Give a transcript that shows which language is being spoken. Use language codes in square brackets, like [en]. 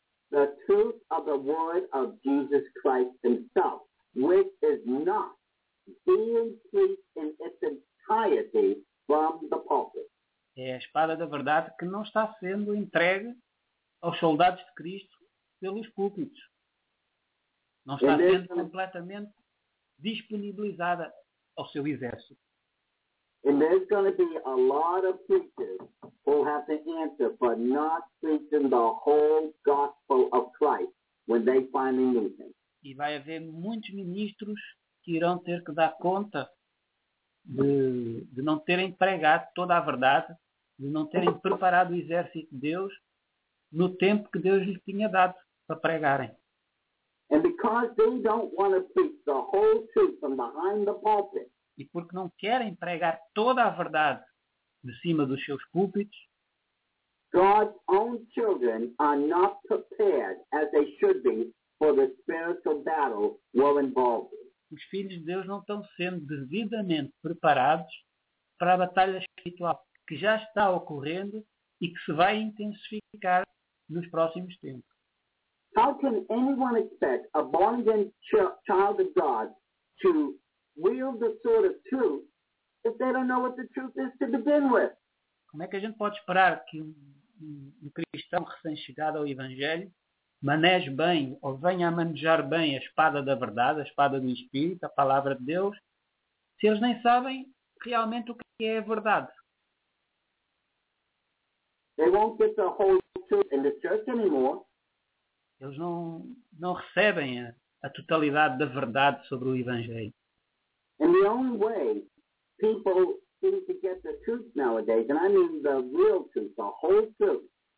[en] The truth of the word of Jesus Christ himself, which is not being preached in its entirety from the pulpit. [pt] É a espada da verdade que não está sendo entregue aos soldados de Cristo pelos púlpitos. Não está sendo completamente disponibilizada ao seu exército. [en] And there's going to be a lot of preachers who have to answer for not preaching the whole gospel of Christ when they finally meet him. [pt] E vai haver muitos ministros que irão ter que dar conta de não terem pregado toda a verdade, de não terem preparado o exército de Deus no tempo que Deus lhes tinha dado para pregarem. [en] And because they don't want to preach the whole truth from behind the pulpit, [pt] e porque não querem pregar toda a verdade de cima dos seus púlpitos, [en] God's own children are not prepared as they should be for the spiritual battle well involved. [pt] Os filhos de Deus não estão sendo devidamente preparados para a batalha espiritual que já está ocorrendo e que se vai intensificar nos próximos tempos. [en] How can anyone expect a born again child of God to wield the sword of truth if they don't know what the truth is to begin with? [pt] Como é que a gente pode esperar que um cristão recém-chegado ao Evangelho maneje bem ou venha a manejar bem a espada da verdade, a espada do Espírito, a palavra de Deus, se eles nem sabem realmente o que é a verdade? [en] They won't get the whole truth in the church anymore. [pt] Eles não recebem a totalidade da verdade sobre o Evangelho. [en] And the only way people seem to get the truth nowadays, and I mean the real truth, the whole truth.